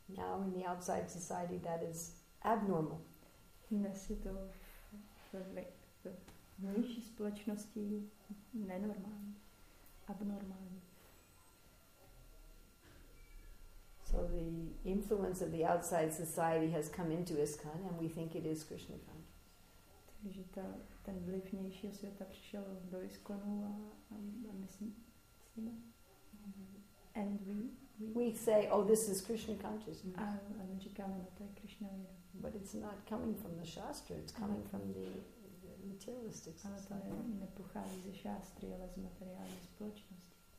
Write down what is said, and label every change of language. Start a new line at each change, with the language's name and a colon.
English: Now in the outside society, that is abnormal.
Czech: Dnes je to v vnější společnosti nenormální, abnormální.
English: So the influence of the outside society has come into ISKCON and we think it is Krishna consciousness.
Czech: Takže ten vliv vnějšího světa přišel do ISKCONu a my si
English: and we say, oh, this is Krishna consciousness.
Czech: A my říkáme, no, to je Krishna věda.
English: But it's not coming from the Shastra, it's coming from the materialistic society.
Czech: Ale to nepochází ze Shastry, ale z materiální společnosti.